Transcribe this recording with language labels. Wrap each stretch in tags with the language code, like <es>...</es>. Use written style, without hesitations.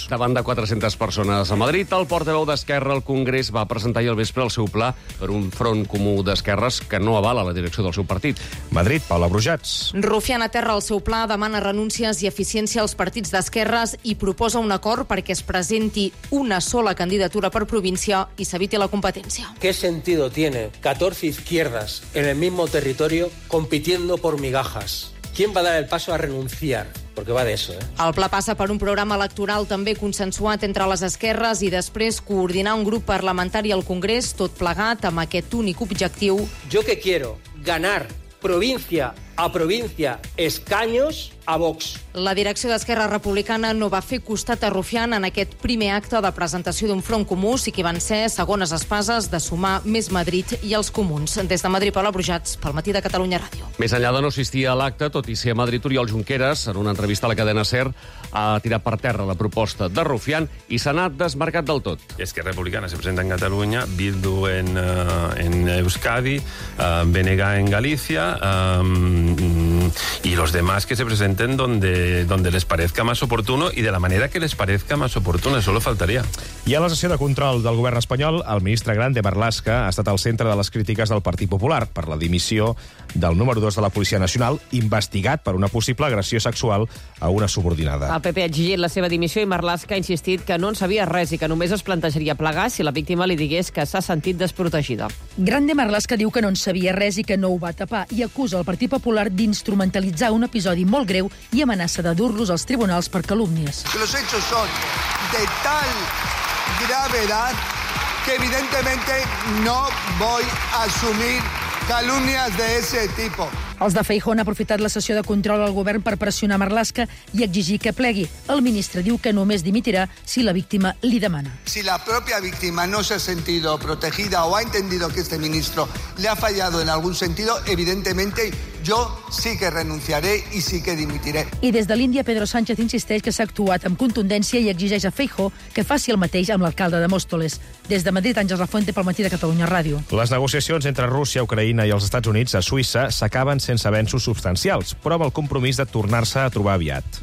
<ca>Davant de 400 persones a Madrid, el portaveu d'Esquerra al Congrés va presentar ahir al vespre el seu pla per un front comú d'esquerres que no avala la direcció del seu partit. Madrid, Paula Brujats. Rufián aterra el seu pla, demana renúncies i eficiència als partits d'esquerres i proposa un acord perquè es presenti una sola candidatura per província i s'eviti la competencia.</ca> <es>¿Qué sentido tiene 14 izquierdas en el mismo territorio compitiendo por migajas? ¿Quién va a dar el paso a renunciar? Porque va de eso, ¿eh?</es> <ca>El pla passa per un programa electoral també consensuat entre les esquerres i després coordinar un grup parlamentari al Congrés, tot plegat amb aquest únic objectiu.</ca> <es>Yo que quiero ganar provincia a provincia, escaños a Vox.</es> <ca>La direcció d'Esquerra Republicana no va fer costat a Rufián en aquest primer acte de presentació d'un front comú, sí que van ser segones espases de sumar més Madrid i els comuns. Des de Madrid, Paula Brujats, pel matí de Catalunya Ràdio. Més enllà de no assistir a l'acte, tot i ser a Madrid, Oriol Junqueras, en una entrevista a la cadena SER, ha tirat per terra la proposta de Rufián i s'ha anat desmarcat del tot.</ca> <es>Esquerra Republicana se presenta en Catalunya, Bildu en Euskadi, BNG en Galícia, y los demás que se presenten donde les parezca más oportuno y de la manera que les parezca más oportuno, solo faltaría.</es> <ca>I a la sessió de control del govern espanyol, el ministre Grande Marlaska ha estat al centre de les crítiques del Partit Popular per la dimissió del número 2 de la Policia Nacional, investigat per una possible agressió sexual a una subordinada. El PP ha exigit la seva dimissió i Marlaska ha insistit que no en sabia res i que només es plantejaria plegar si la víctima li digués que s'ha sentit desprotegida. Grande Marlaska diu que no en sabia res i que no ho va tapar i acusa el Partit Popular d'instrumentalitzar un episodi molt greu i amenaça de dur-los als tribunals per calúmnies.</ca> <es>Los hechos son de tal gravedad que evidentemente no voy a asumir calumnias de ese tipo.</es> <ca>Els de Feijóo han aprofitat la sessió de control al govern per pressionar Marlaska i exigir que plegui. El ministre diu que només dimitirà si la víctima li demana. Si la pròpia víctima no s'ha</ca> <es>sentido protegida o ha entendido que este ministro le ha fallado en algún sentido, evidentemente yo sí que renunciaré y sí que dimitiré.</es> <ca>I des de l'Índia, Pedro Sánchez insisteix que s'ha actuat amb contundència i exigeix a Feijóo que faci el mateix amb l'alcalde de Móstoles. Des de Madrid, Àngels Lafuente, pel Matí de Catalunya Ràdio. Les negociacions entre Rússia, Ucraïna i els Estats Units a Suïssa s'acaben sense avenços substancials, però amb el compromís de tornar-se a trobar aviat.</ca>